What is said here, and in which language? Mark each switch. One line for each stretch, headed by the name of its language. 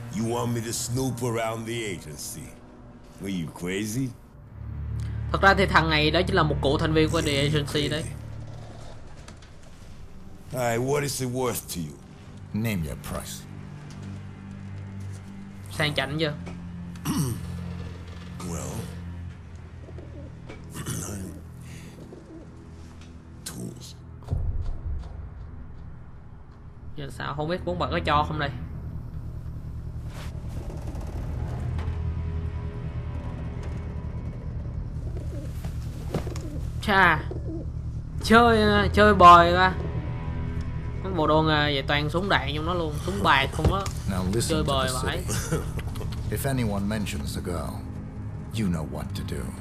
English: You want me to snoop around the agency? Are you crazy?
Vietnamese: Thật ra thì thằng này đó chính là một cựu thành viên của the agency đấy.
English: Alright, what is it worth to you? Name your price.
Vietnamese: sang chảnh chưa?
English: Well, tools.
Vietnamese: Giờ sao không biết bốn bà có cho không đây? Chà, chơi bời ra. Cái bộ đồ nghề vậy toàn súng đạn trong nó luôn, súng bài không á. Chơi bời mà ấy.
English: If anyone mentions the girl, you know what to do.